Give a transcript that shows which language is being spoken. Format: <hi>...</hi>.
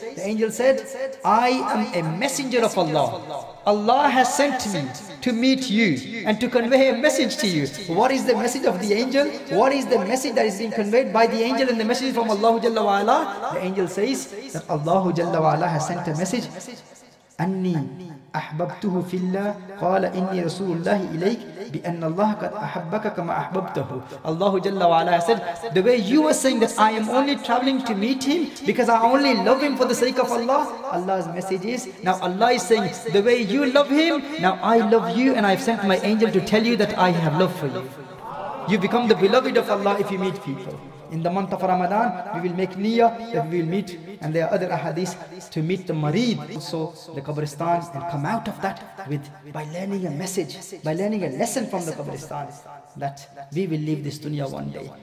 <en>The angel said, "I am a messenger of Allah. Allah has sent me to meet you and to convey a message to you." What is the message of the angel? What is the message that is being conveyed by the angel and the message from Allah Jalla wa'ala? The angel says that Allah Jalla wa'ala has sent a message.</en> <ar>"Anni أحببته في الله قال إني رسول الله إليك بأن الله قد أحبك كما أحببته."</ar> <en>Allah Jalla wa'ala said, "The way you were saying that I am only traveling to meet him because I only love him for the sake of Allah, Allah's message is, now Allah is saying, the way you love him, now I love you and I've sent my angel to tell you that I have love for you. You become the beloved of Allah if you meet people." In the month of Ramadan, we will make niyyah that we will meet, and there are other ahadith to meet the marid, also the qabristan, and come out of that with by learning a message, by learning a lesson from the qabristan, that we will leave this dunya one day.</en>